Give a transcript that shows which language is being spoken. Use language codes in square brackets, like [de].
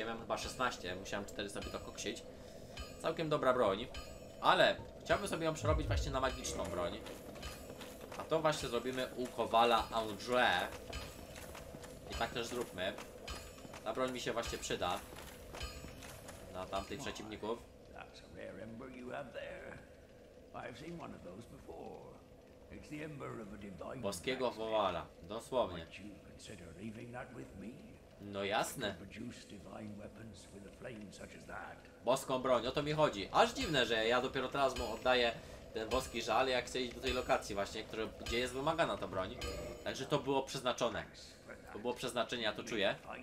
[pl] Ja miałem chyba 16, musiałem 4 sobie to koksić. Całkiem dobra broń. Ale chciałbym sobie ją przerobić właśnie na magiczną broń. A to właśnie zrobimy u kowala Andrze. I tak też zróbmy. Ta broń mi się właśnie przyda na tamtych przeciwników. [en] That's a rare ember you have there. I've seen one of those before. It's the ember of a divine. [pl] Boskiego kowala, dosłownie. [en] Would you consider leaving that with me? [pl] No jasne. [en] Produce divine weapons with a flame such as that. [pl] Boską broń, o to mi chodzi. Aż dziwne, że ja dopiero teraz mu oddaję ten boski żal, jak chcę iść do tej lokacji właśnie, który, gdzie jest wymagana ta broń. Także to było przeznaczone. To było przeznaczenie, ja to czuję.